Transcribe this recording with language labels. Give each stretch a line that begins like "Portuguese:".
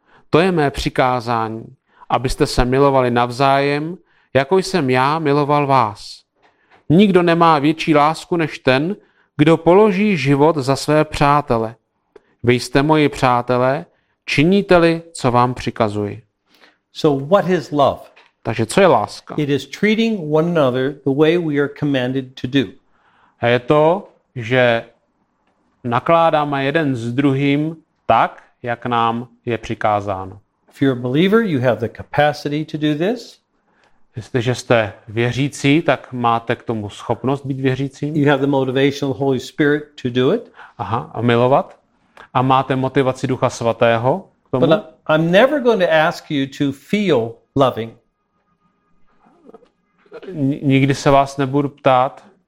Czech: To je mé přikázání, abyste se milovali navzájem, jako jsem já miloval vás. Nikdo nemá větší lásku než ten, kdo položí život za své přátele. Vy jste moji přátelé, činíte-li, co vám přikazuji.
English: So what is love?
Czech: Takže co je láska?
English: It is treating one another the way we are commanded to do.
Czech: A je to, že nakládáme jeden s druhým tak, jak nám je přikázáno.
English: If you're a believer, you have the capacity to do this.
Czech: Jestliže jste věřící, tak máte k tomu schopnost být věřícím.
English: You have the motivation of the Holy Spirit to do it.
Czech: Aha, a milovat. A máte motivaci Ducha Svatého k tomu.
English: But I'm never going to ask you to feel loving.
Czech: Nikdy se vás nebudu ptát.